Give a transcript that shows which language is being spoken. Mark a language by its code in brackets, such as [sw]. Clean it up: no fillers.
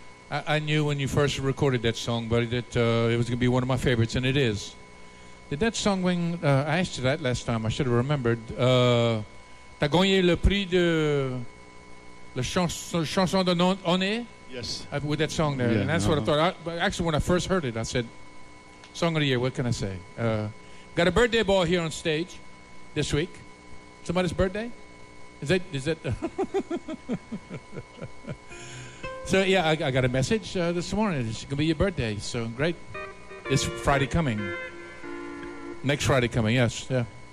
[en] I knew when you first recorded that song, buddy, that it was going to be one of my favorites, and it is. Did that song win? I asked you that last time. I should have remembered. [fr] T'as gagné le prix de la chanson de Noné? [en] Yes. With that song there. Yeah, and that's what I thought. Actually, when I first heard it, I said, song of the year, what can I say? Got a birthday boy here on stage this week. Somebody's birthday? Is that? So yeah, I got a message this morning. It's gonna be your birthday. So great, it's Friday coming. Next Friday coming. Yes, yeah.